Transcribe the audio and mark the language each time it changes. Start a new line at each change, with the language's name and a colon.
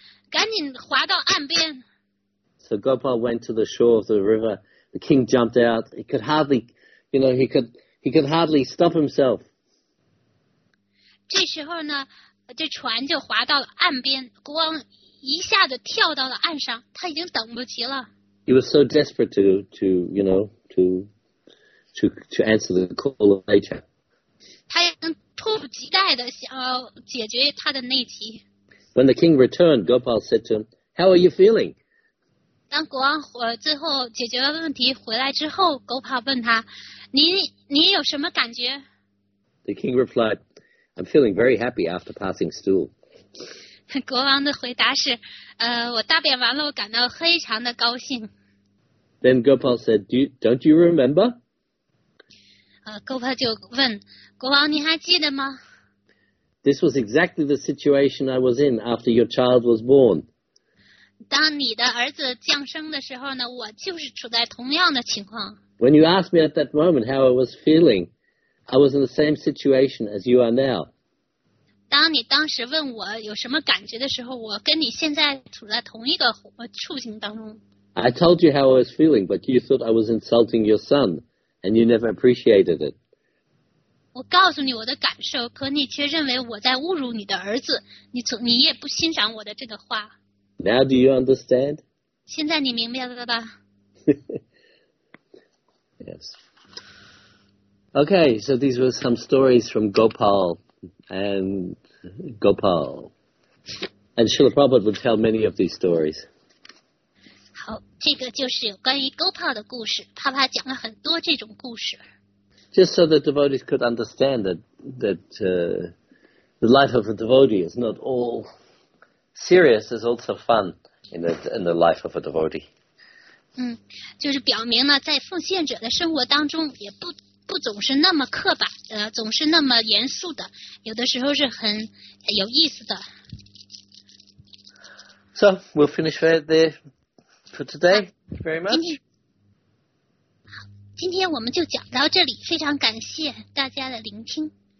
English: So Gopal went to the shore of the river. The king jumped out. He could hardly, you know, he could hardly stop himself.
Chinese: 这时候呢，这船就划到了岸边。国王一下子跳到了岸上，他已经等不及了。
English: He was so desperate to answer the call of nature.
Chinese: 他已经迫不及待的想要解决他的内急。
English: When the king returned, Gopal said to him, "How are you feeling?"
Chinese: 当国王最后解决了问题回来之后 ，Gopal 问他，你有什么感觉
English: ？The king replied, "I'm feeling very happy after passing stool."
Chinese: 国王的回答是，我大便完了，我感到非常的高兴。
English: Then Gopal said, "Don't you remember?"
Chinese: Gopal 就问。国王，你还记得吗
English: ？This was exactly the situation I was in after your child was born.
Chinese: 当你的儿子降生的时候呢，我就是处在同样的情况。
English: When you asked me at that moment how I was feeling, I was in the same situation as you are now.
Chinese: 当你当时问我有什么感觉的时候，我跟你现在处在同一个处境当中。
English: I told you how I was feeling, but you thought I was insulting your son, and you never appreciated it.
Chinese: 我告诉你我的感受，可你却认为我在侮辱你的儿子。你也不欣赏我的这个话。
English: Now do you understand?
Chinese: 现在你明白了吧
English: ？Yes. Okay, so these were some stories from Gopal. And Srila Prabhupada would tell many of these stories.
Chinese: 好，这个就是有关于 Gopal 的故事。帕帕讲了很多这种故事。
English: Just so the devotees could understand that the life of a devotee is not all serious, it's also fun in the life of a devotee.
Chinese: 就是表明了在奉献者的生活当中也不总是那么刻板的，总是那么严肃的，有的时候是很有意思的。
English: So, we'll finish there for today. Thank you very much.
Chinese: 今天我们就讲到这里，非常感谢大家的聆听。